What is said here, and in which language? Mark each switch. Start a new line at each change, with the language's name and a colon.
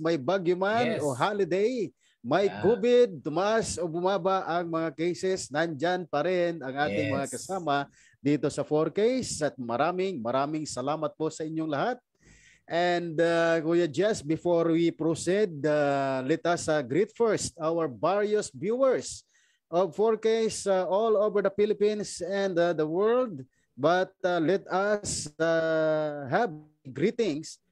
Filipino: May bagyo man, yes, o holiday. May COVID, tumaas o bumaba ang mga cases. Nandyan pa rin ang ating, yes, mga kasama dito sa 4Ks, at maraming salamat po sa inyong lahat.
English: And Kuya Jess, before we proceed, let us greet first our various viewers of 4Ks all over the Philippines and the world. But let us have greetings